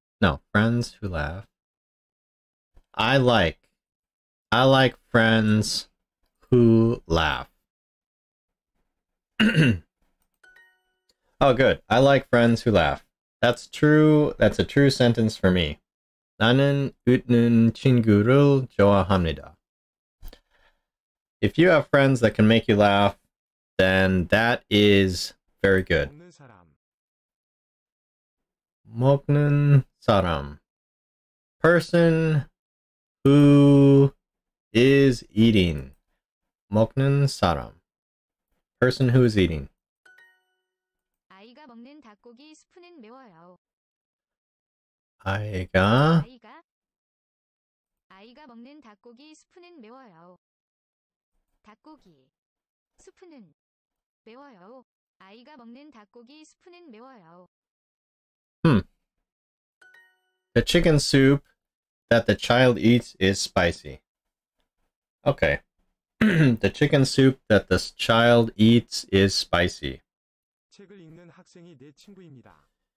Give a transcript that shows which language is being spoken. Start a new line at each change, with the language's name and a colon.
English: No, friends who laugh. I like friends who laugh. Oh, good. I like friends who laugh. That's true. That's a true sentence for me.
Korean: 나는 웃는 친구를 좋아합니다.
English: If you have friends that can make you laugh, then that is very good.
Korean: 먹는 사람.
English: Person who is eating.
Korean: 먹는 사람.
English: Person who is eating.
Korean: 아이가 먹는 닭고기 스프는 매워요. 아이가 아이가 먹는 닭고기 스프는 매워요. 닭고기 스프는 매워요. 아이가 먹는 닭고기 스프는 매워요.
English: The chicken soup that the child eats is spicy. Okay. The chicken soup that the child eats is spicy.
Korean: 책을 읽는 학생이 내 친구입니다.